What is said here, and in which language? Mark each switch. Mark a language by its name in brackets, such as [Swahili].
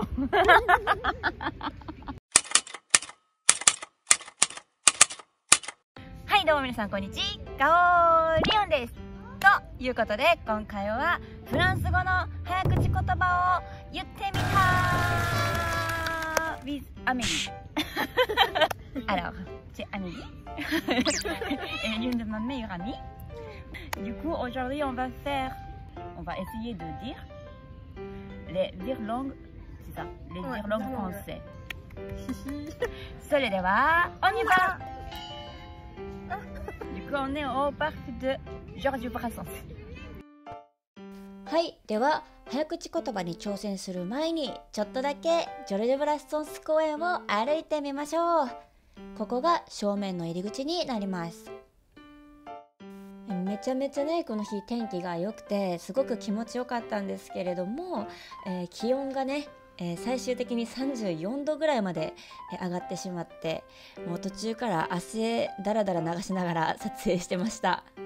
[Japanese] はい、どうも皆さんこんにちは、ガオーリオンです。ということで今回はフランス語の早口言葉を言ってみたWith アミリアロチアミリエリュンデマメイラミ。 [French] Du coup, aujourd'hui, on va faire, on va essayer de dire les virelangues, c'est ça, les virelangues français. [Japanese] それでは、 [French] on y va! Du coup, on est au parc de Georges Brassens. [Japanese] はい、では、早口言葉に挑戦する前に、ちょっとだけジョルジュ・ブラッソンス公園を歩いてみましょう。ここが正面の入り口になります。めちゃめちゃね、この日天気が良くてすごく気持ちよかったんですけれども、気温がね、最終的に34度ぐらいまで上がってしまって、もう途中から汗だらだら流しながら撮影してました。